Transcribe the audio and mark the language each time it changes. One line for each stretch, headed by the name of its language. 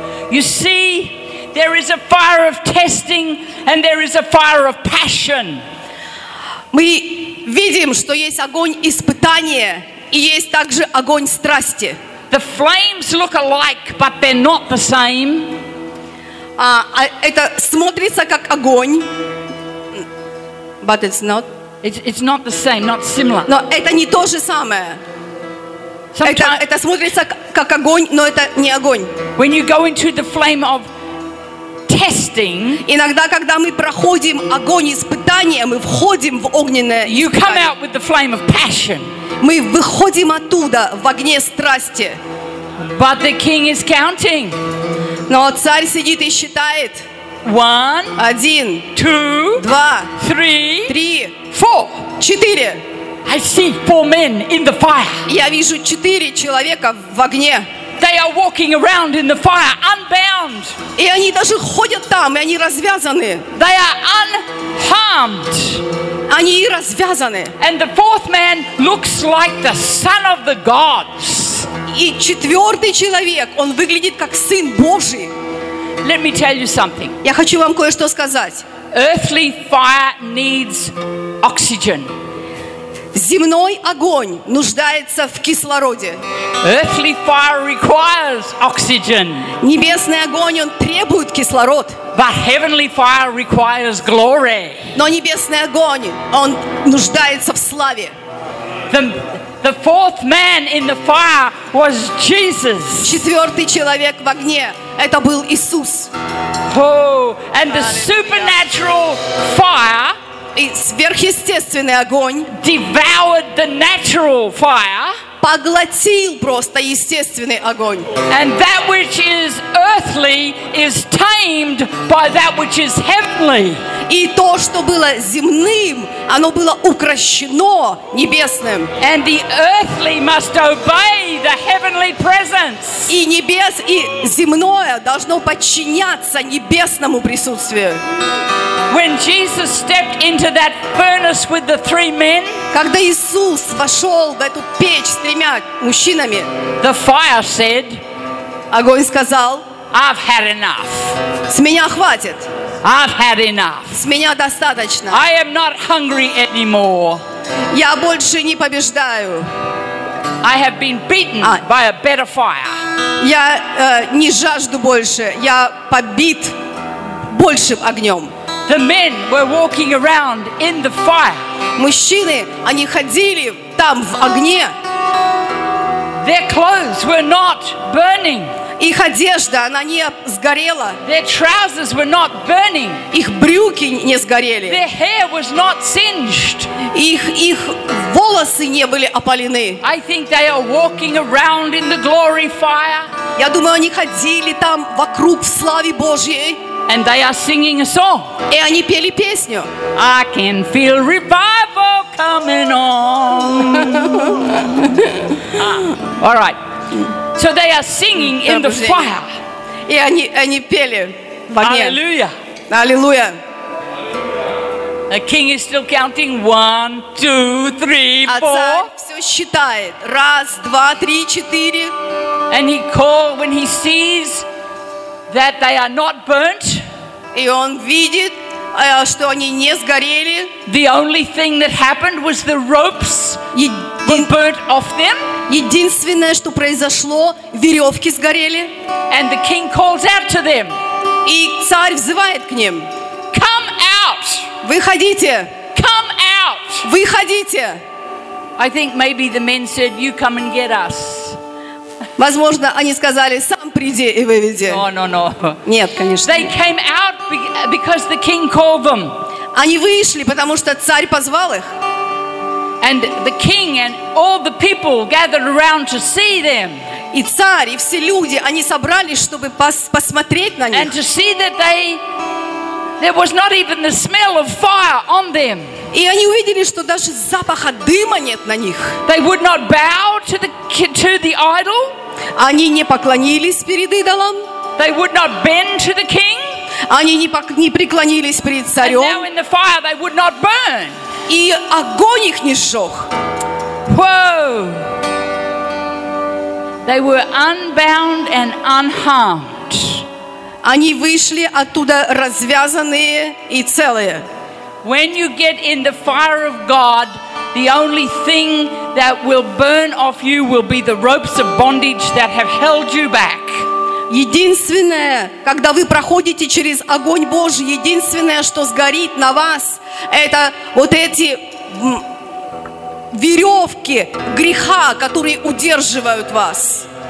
English: You see, there is a fire of testing and there is a fire of passion.
Russian: Мы видим, что есть огонь испытания и есть также огонь страсти.
English: The flames look alike, but they're not the same.
Russian: Это смотрится как огонь,
English: but it's not. It's not the same, not similar.
Russian: Но это не то же самое. Это смотрится как огонь, но это не огонь.
English: When you go into the flame of testing,
Russian: иногда, когда мы проходим огонь испытания, мы входим в огненное испытание.
English: You come out with the flame of passion.
Russian: Мы выходим оттуда в огне страсти.
English: But the king is counting.
Russian: Но царь сидит и считает.
English: One,
Russian: один,
English: two,
Russian: два,
English: three, four,
Russian: четыре.
English: I see four men in the fire.
Russian: Я вижу четыре человека в огне.
English: They are walking around in the fire, unbound.
Russian: И они даже ходят там, и они развязаны.
English: They are unharmed.
Russian: Они развязаны.
English: And the fourth man looks like the son of the gods.
Russian: И четвертый человек, он выглядит как сын Божий.
English: Let me tell you something.
Russian: Я хочу вам кое-что сказать.
English: Earthly fire needs oxygen.
Russian: Земной огонь нуждается в кислороде.
English: Earthly fire requires oxygen.
Russian: Небесный огонь, он требует кислород.
English: But heavenly fire requires glory.
Russian: Но небесный огонь, он нуждается в славе.
English: The fourth man in the fire was Jesus.
Russian: Четвертый человек в огне, это был Иисус.
English: Oh, and the supernatural fire.
Russian: И сверхъестественный огонь
English: devoured the natural fire,
Russian: поглотил просто естественный огонь.
English: And that which is earthly is tamed by that which is heavenly.
Russian: И то, что было земным, оно было укрощено небесным.
English: And the earthly must obey the heavenly presence.
Russian: И небес и земное должно подчиняться небесному присутствию.
English: When Jesus stepped into that furnace with the three men,
Russian: когда Иисус вошел в эту печь с тремя мужчинами,
English: the fire said,
Russian: огонь сказал,
English: I've had enough.
Russian: С меня хватит.
English: I've had enough.
Russian: С меня достаточно.
English: I am not hungry anymore.
Russian: Я больше не побеждаю.
English: I have been beaten by a better fire.
Russian: Я не жажду больше. Я побит большим огнем.
English: The men were walking around in the fire.
Russian: Мужчины, они ходили там в огне.
English: Their clothes were not burning.
Russian: Их одежда, она не сгорела.
English: Their trousers were not burning.
Russian: Их брюки не сгорели.
English: Their hair was not singed.
Russian: Их волосы не были опалены.
English: I think they are walking around in the glory fire.
Russian: Я думаю, они ходили там вокруг в славе Божьей.
English: And they are singing a song.
Russian: И они пели песню.
English: I can feel revival coming on. All right. So they are singing in the fire.
Russian: И они пели в огне.
English: Hallelujah.
Russian: Hallelujah.
English: The king is still counting. One, two, three, four.
Russian: Все считает. Раз, два, три, четыре.
English: And he calls when he sees that they are not burnt.
Russian: И он видит, что они не сгорели.
English: The only thing that happened was the ropes were burnt off them.
Russian: Единственное, что произошло, веревки сгорели.
English: And the king calls out to them.
Russian: И царь взывает к ним.
English: Come out.
Russian: Выходите.
English: Come out.
Russian: Выходите.
English: I think maybe the men said, "You come and get us."
Russian: Возможно, они сказали: сам приди и выведи.
English: No.
Russian: Нет, конечно.
English: They came out because the king called them.
Russian: Они вышли, потому что царь позвал их.
English: And the king and all the people gathered around to see them.
Russian: И царь, и все люди, они собрались, чтобы посмотреть на них.
English: And to see that they there was not even the smell of fire on them.
Russian: И они увидели, что даже запаха дыма нет на них.
English: They would not bow to the idol.
Russian: Они не поклонились перед идолам.
English: They would not bend to the king.
Russian: Они не преклонились перед царем.
English: And now in the fire they would not burn.
Russian: И огонь их не сжег.
English: Whoa. They were unbound and unharmed.
Russian: Они вышли оттуда развязанные и целые.
English: When you get in the fire of God, the only thing that will burn off you will be the ropes of bondage that have held you back.
Russian: Единственное, когда вы проходите через огонь Божий, единственное, что сгорит на вас, это вот эти веревки греха, которые удерживают вас.